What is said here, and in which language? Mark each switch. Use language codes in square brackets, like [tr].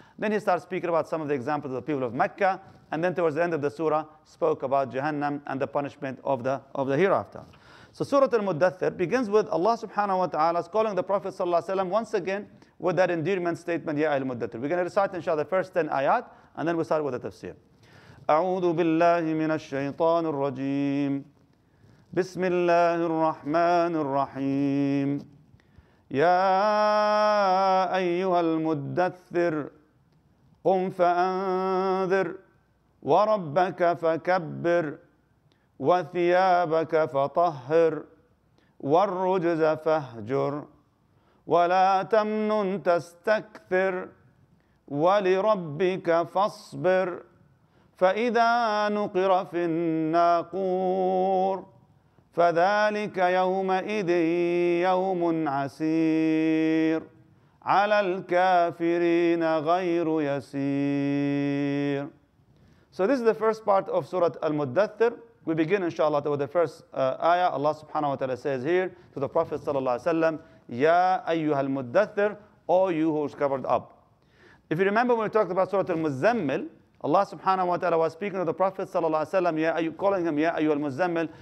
[en] Then he starts speaking about some of the examples of the people of Mecca. And then towards the end of the surah, spoke about Jahannam and the punishment of the hereafter. So Surah Al-Muddathir begins with Allah subhanahu wa ta'ala calling the Prophet sallallahu alaihi wasallam once again with that endearment statement, Ya Al-Muddathir. We're going to recite, inshallah, the first 10 ayat, and then we start with the tafsir. [ar] A'udhu billahi minash shaytanir rajim. بسم الله الرحمن الرحيم يا أيها المدثر قم فأنذر وربك فكبر وثيابك فطهر والرجز فاهجر ولا تمنن تستكثر ولربك فاصبر فإذا نقر في الناقور فذلك يومئذ يوم عسير على الكافرين غير يسير. [en] So this is the first part of Surah Al-Muddathir. We begin, inshallah, with the first ayah. Allah subhanahu wa ta'ala says here to the Prophet sallallahu alaihi wasallam, [ar] Ya ayyuhal muddathir, [en] O you who is covered up. If you remember when we talked about Surah Al-Muzzammil, Allah subhanahu wa ta'ala was speaking to the Prophet sallallahu alaihi wasallam, calling him, [ar] Ya Ayyuhal Muzzammil.